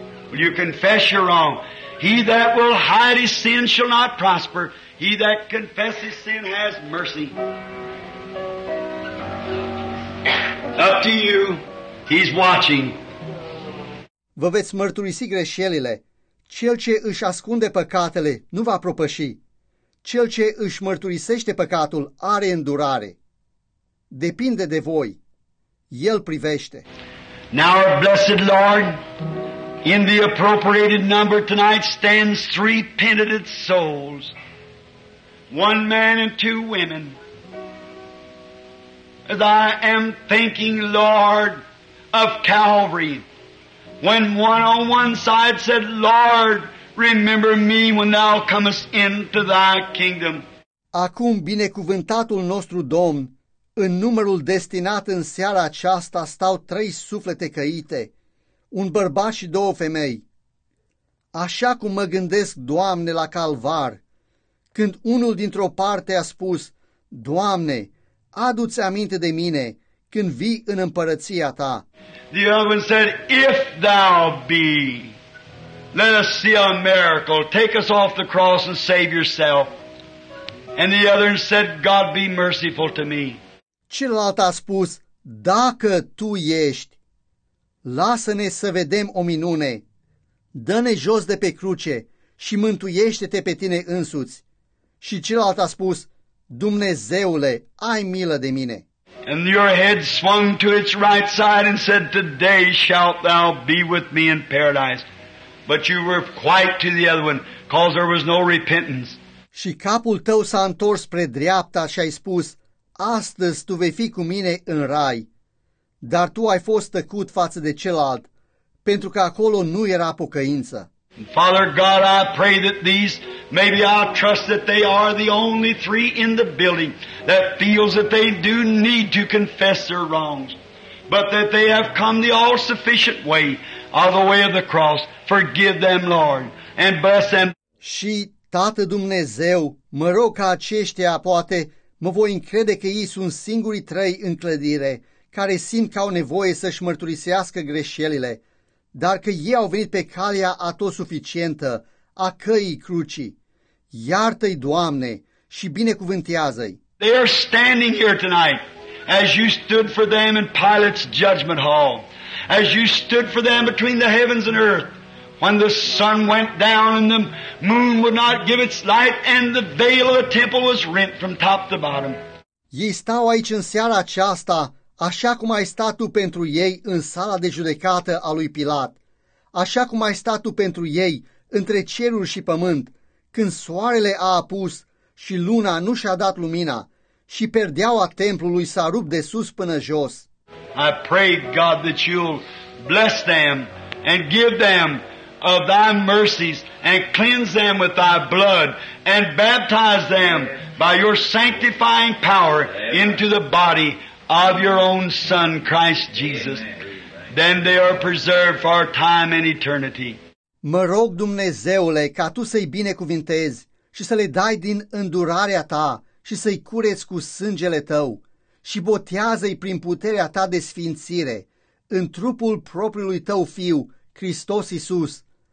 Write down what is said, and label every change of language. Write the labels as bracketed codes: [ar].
[en] Will you confess your wrong? He that will hide his sin shall not prosper. He that confesses sin has mercy. Up to you. He's watching. [ro] Vă veți mărturisi greșelile. Cel ce își ascunde păcatele nu va propăși. Cel ce își mărturisește păcatul are îndurare. Depinde de voi. El privește. [en] Now, blessed Lord, in the appropriated number tonight stands three penitent souls. One man and two women. As I am thinking, Lord, of Calvary. When one on one side said, Lord, remember me when thou comest into thy kingdom. [ro] Acum binecuvântatul nostru Domn, în numărul destinat în seara aceasta stau trei suflete căite, un bărbat și două femei. Așa cum mă gândesc, Doamne, la Calvar, când unul dintr-o parte a spus, Doamne, adu-ți aminte de mine când vii în împărăția ta. [en] The other said, if thou be, let us see a miracle, take us off the cross and save yourself. And the other said, God be merciful to me. [ro] Celălalt a spus, dacă tu ești, lasă-ne să vedem o minune, dă-ne jos de pe cruce și mântuiește-te pe tine însuți. Și celălalt a spus, Dumnezeule, ai milă de mine. [en] And your head swung to its right side and said, today shalt thou be with me in paradise. But you were quite to the other one, because there was no repentance. [ro] Și capul tău s-a întors spre dreapta și ai spus, astăzi tu vei fi cu mine în rai. Dar tu ai fost tăcut față de celălalt, pentru că acolo nu era pocăință. [en] Father God, I pray that these, maybe I trust that they are the only three in the building that feels that they do need to confess their wrongs, but that they have come the all-sufficient way of the way of the cross. Forgive them, Lord, and bless them. [ro] Și, Tată Dumnezeu, mă rog ca aceștia, poate, mă voi încrede că ei sunt singurii trei în clădire care simt că au nevoie să-și mărturisească greșelile, dar că ei au venit pe calea a tot suficientă, a căii crucii. Iartă-i, Doamne, și binecuvântează-i. [en] They are standing here tonight as you stood for them in Pilate's judgment hall, as you stood for them between the heavens and earth, when the sun went down and the moon would not give its light and the veil of the temple was rent from top to bottom. [ro] Ei stau aici în seara aceasta, așa cum ai stat tu pentru ei în sala de judecată a lui Pilat, așa cum ai stat tu pentru ei între cerul și pământ, când soarele a apus și luna nu și-a dat lumina și perdeaua templului s-a rupt de sus până jos. [en] I pray, God, that you'll bless them and give them of thy mercies and cleanse them with thy blood and baptize them by your sanctifying power Amen. Into the body of your own Son, Christ Jesus. Amen. Then they are preserved for our time and eternity. [ro] Mă rog, Dumnezeule, ca Tu să-i binecuvintezi și să le dai din îndurarea Ta și să-i cureți cu sângele Tău și botează-i prin puterea Ta de sfințire în trupul propriului Tău Fiu, Hristos Iisus.